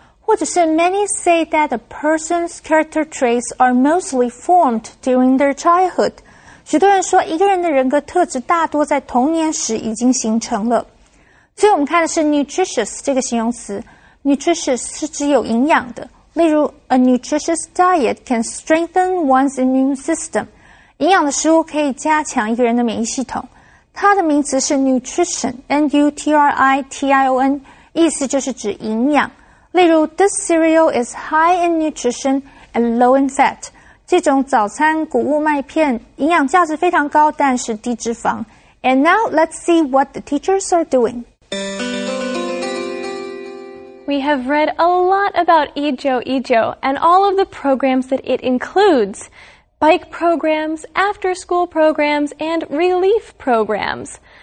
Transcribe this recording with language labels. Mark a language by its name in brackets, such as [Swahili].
[Chinese] 或者是 [English] many say that a person's character traits are mostly formed during their childhood. [Chinese] 许多人说一个人的人格特质大多在童年时已经形成了。所以我们看的是 nutritious 这个形容词 ,nutritious 是指有营养的。例如 [English] ,a nutritious diet can strengthen one's immune system. [Chinese] 营养的食物可以加强一个人的免疫系统。它的名词是 nutrition,N-U-T-R-I-T-I-O-N, 意思就是指营养。例如 [English] ,this cereal is high in nutrition and low in fat. [Chinese] 这种早餐谷物麦片营养价值非常高但是低脂肪。 [English] And now, let's see what the teachers are doing. We have read a lot about Ijo and all of the programs that it includes. Bike programs, after-school programs, and relief programs.